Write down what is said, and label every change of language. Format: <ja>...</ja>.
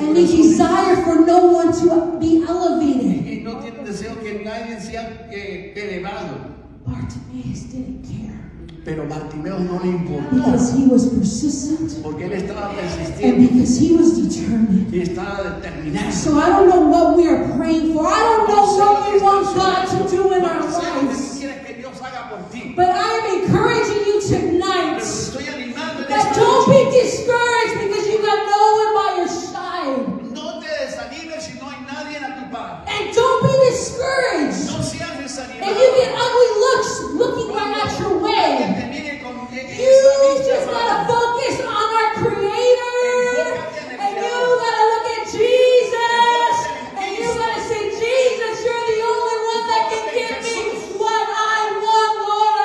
<en>and a desire for no one to be elevated.</en> <es>Y no tienen deseo que nadie sea elevado.</es> <en>Bartimaeus didn't care.</en> <es>Pero Bartimeo no le importó.</es> <en>Because he was persistent.</en> <es>Porque él estaba persistiendo.</es> <en>And because he was determined.</en> <es>Y estaba determinado.</es> <en>So I don't know what we are praying for. I don't know what we want God to do in our lives. But I am encouraging you tonight. That don't be discouraged because you got no one by your side.</en> <es>No te desanimes si no hay nadie a tu par.</es> <en>And don't be discouraged.</en> <es>No seas desanimado.</es> <en>And you get ugly looks looking right at your way. You just gotta focus on our Creator. And you gotta look at Jesus. And you gotta say, Jesus, you're the only one that can give me what I want, Lord.</en>